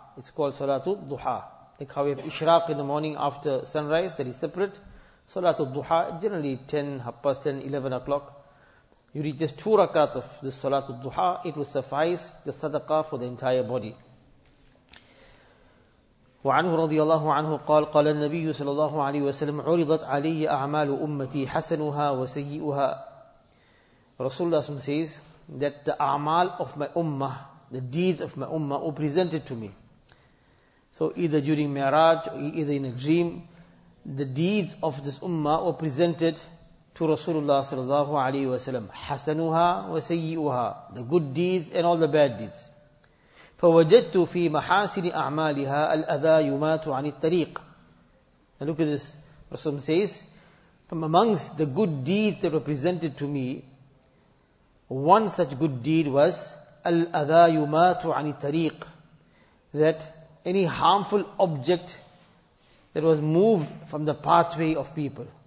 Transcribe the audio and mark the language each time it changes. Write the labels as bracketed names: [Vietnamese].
[English] It's called Salatul Duha. Like how we have Ishraq in the morning after sunrise, that is separate. Salatul Duha, generally 10, half past 10, 11 o'clock. You read just two rakats of this Salatul Duha, it will suffice the sadaqah for the entire body. [Arabic] وعنه رضي الله عنه قال قال النبي صلى الله عليه وسلم عرضت علي أعمال أمتي حسنها وسيئها. [English] Rasulullah says that the a'mal of my ummah, the deeds of my ummah were presented to me. So either during Mi'raj or either in a dream, the deeds of this ummah were presented to Rasulullah [Arabic] صلى الله عليه وسلم. حسنها وسيئها, [English] the good deeds and all the bad deeds. [Arabic] فَوَجَدْتُ فِي مَحَاسِنِ أَعْمَالِهَا الْأَذَى يُمَاتُ عَنِ الطَّرِيقِ. [English] Now look at this. Rasul says, from amongst the good deeds that were presented to me, one such good deed was [Arabic] الْأَذَى يُمَاتُ عَنِ الطَّرِيقِ, [English] that any harmful object that was moved from the pathway of people.